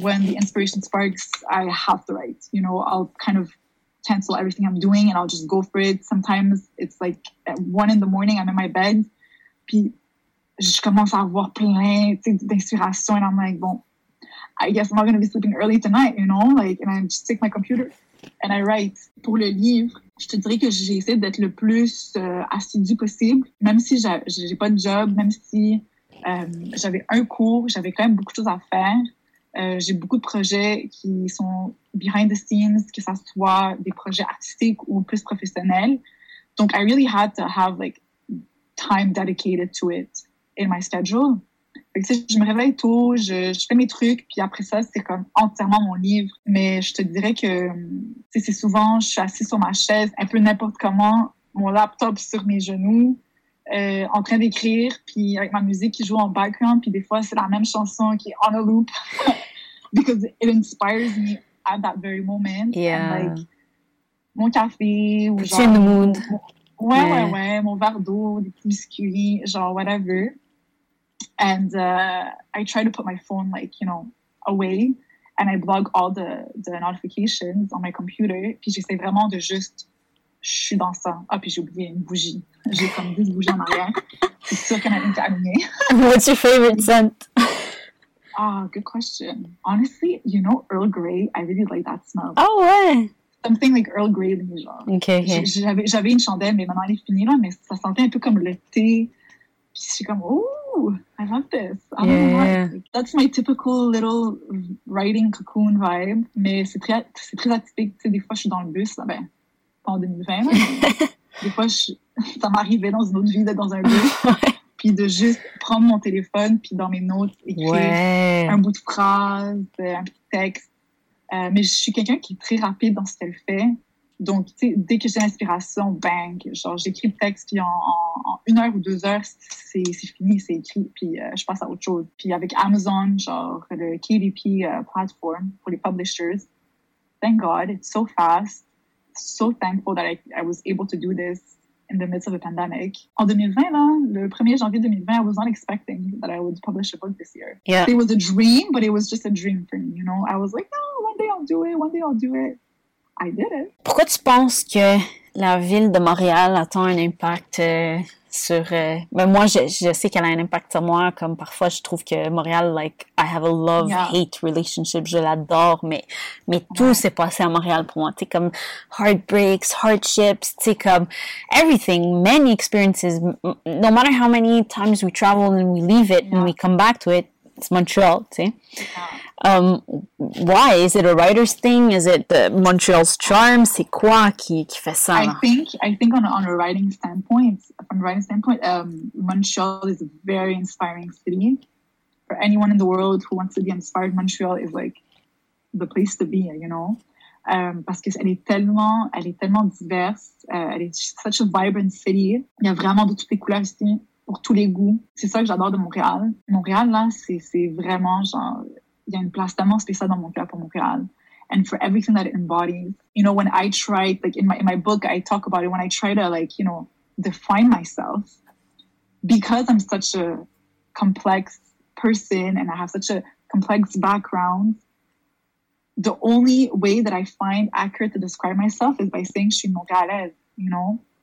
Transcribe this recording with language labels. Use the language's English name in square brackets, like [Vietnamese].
[English] When the inspiration sparks, I have to write. You know, I'll kind of cancel everything I'm doing and I'll just go for it. Sometimes it's like at 1 a.m, I'm in my bed. [French] Puis, je commence à avoir plein, tu sais, d'inspiration, [English] and I'm like, bon, I guess I'm not going to be sleeping early tonight, you know? Like, and I just take my computer and I write. [French] Pour le livre, je te dirais que j'essaie d'être le plus assidu possible, même si j'ai pas de job, même si j'avais un cours, j'avais quand même beaucoup de choses à faire. J'ai beaucoup de projets qui sont [English] behind the scenes, [French] que ça soit des projets artistiques ou plus professionnels. [English] Donc, I really had to have, like, time dedicated to it in my schedule. [French] Fait que, tu sais, je me réveille tôt, je fais mes trucs, puis après ça, c'est comme entièrement mon livre. Mais je te dirais que, tu sais, c'est souvent, je suis assise sur ma chaise, un peu n'importe comment, mon laptop sur mes genoux, en train d'écrire, puis avec ma musique qui joue en background, puis des fois, c'est la même chanson qui est [English] on a loop, because it inspires me at that very moment. Yeah. And, like, [French] mon café, ou [English] genre... Put in the mood. [French] Ouais, mon verre d'eau, des biscuits, genre whatever. [English] And I try to put my phone, like, you know, away. And I block all the notifications on my computer. [French] Puis j'essaie vraiment de juste... Je suis dans ça. Ah, puis j'ai oublié une bougie. J'ai comme 10 bougies en arrière. C'est sûr qu'elle n'a rien terminé. [English] What's your favorite scent? Oh, good question. Honestly, you know, Earl Grey, I really like that smell. [French] Oh, ouais! [English] Something like Earl Grey, genre. OK, OK. [French] J'avais une chandelle, mais maintenant elle est finie, là, mais ça sentait un peu comme le thé. Puis je suis comme, [English] ooh, I love this. I don't know why. That's my typical little writing cocoon vibe. [French] Mais c'est très atypique. Tu sais, des fois, je suis dans le bus, là, ben, en 2020. Des fois, ça m'arrivait dans une autre vie d'être dans un bus. Puis de juste prendre mon téléphone, puis dans mes notes, écrire un bout de phrase, un petit texte. Mais je suis quelqu'un qui est très rapide dans ce qu'elle fait. Donc, tu sais, dès que j'ai l'inspiration, bang! Genre, j'écris le texte, puis en une heure ou deux heures, c'est fini, c'est écrit, puis je passe à autre chose. Puis avec Amazon, genre, le KDP platform pour les publishers, [English] thank God, it's so fast. So thankful that I was able to do this in the midst of a pandemic. [French] En 2020, là, le 1er janvier 2020, [English] I was not expecting that I would publish a book this year. Yeah. It was a dream, but it was just a dream for me, you know? I was like, no, one day I'll do it, one day I'll do it. I did it. [French] Pourquoi tu penses que la ville de Montréal a tant un impact sur... Ben moi, je sais qu'elle a un impact sur moi, comme parfois je trouve que Montréal, like, [English] I have a love-hate relationship, [French] je l'adore, mais tout s'est passé à Montréal pour moi, tu sais, comme heartbreaks, hardships, tu sais, comme everything, many experiences, no matter how many times we travel and we leave it and we come back to it, [English] it's Montreal, [French] tu sais. Why? [English] Is it a writer's thing? Is it the Montreal's charm? [French] C'est quoi qui fait ça? [English] I think on a writing standpoint, Montreal is a very inspiring city. For anyone in the world who wants to be inspired, Montreal is like the place to be, you know? [French] Parce qu'elle est tellement diverse. Elle est [English] such a vibrant city. [French] Il y a vraiment de toutes les couleurs ici, pour tous les goûts. C'est ça que j'adore de Montréal. Montréal, là, c'est vraiment genre... Il y a une place tellement spéciale dans mon cœur pour Montréal. [English] And for everything that it embodies, you know, when I try, like in my book, I talk about it, when I try to, like, you know, define myself, because I'm such a complex person and I have such a complex background, the only way that I find accurate to describe myself is by saying [French] je suis montréalaise, [English] you know?